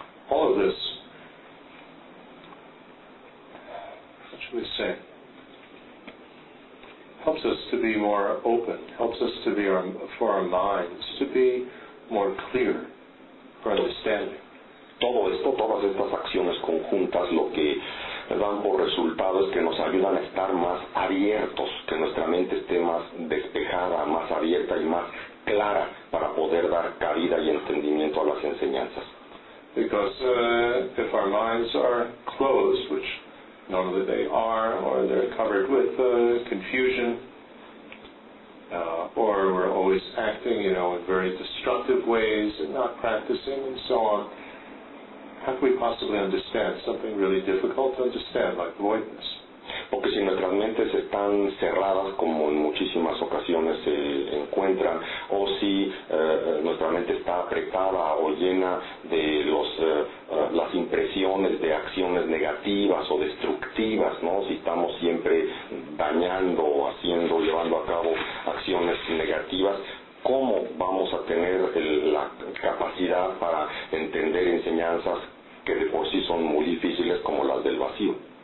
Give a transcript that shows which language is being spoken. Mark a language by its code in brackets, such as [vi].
[en] All of this, what should we say, helps us to be more open, helps us to be for our minds to be more clear for understanding. [es] Todo esto, todas estas acciones conjuntas, lo que dan por resultado es que nos ayudan a estar más abiertos, que nuestra mente esté más despejada, más abierta y más clara para poder dar cabida y entendimiento a las enseñanzas. [en] Because if our minds are closed, which normally they are, or they're covered with confusion, or we're always acting, in very destructive ways and not practicing and so on, how could we possibly understand something really difficult to understand, like voidness? [es] Porque si nuestras mentes están cerradas, como en muchísimas ocasiones se encuentran, o si nuestra mente está apretada o llena de las impresiones de acciones negativas o destructivas, ¿no? Si estamos siempre dañando o haciendo, llevando a cabo acciones negativas, ¿cómo vamos a tener la capacidad para entender enseñanzas que de por sí son muy difíciles, como las del vacío?